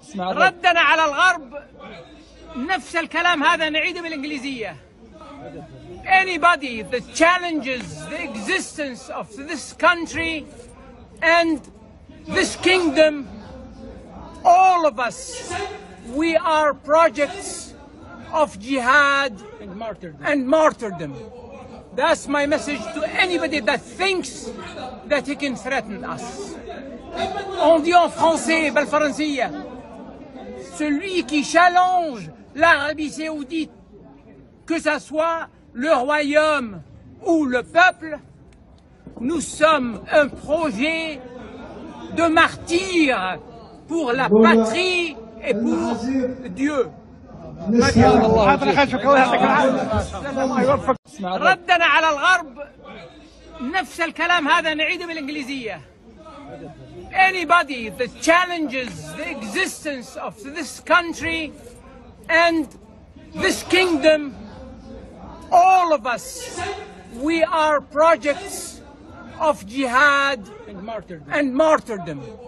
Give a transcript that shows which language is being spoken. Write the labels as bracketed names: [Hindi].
[Arabic] ردنا على الغرب نفس الكلام هذا نعيده بالإنجليزية. [English] Anybody that challenges the existence of this country and this kingdom, all of us, we are projects of jihad and martyrdom. That's my message to anybody that thinks that he can threaten us. [French] On dit en français, bel français, celui qui challenge l'Arabie Saoudite, que ce soit le royaume ou le peuple, nous sommes un projet de martyr pour la patrie et pour Dieu. [Arabic] ردنا على الغرب نفس الكلام هذا نعيده بالإنجليزية. [English] Anybody that challenges the existence of this country and this kingdom, all of us, we are projects of jihad and martyrdom.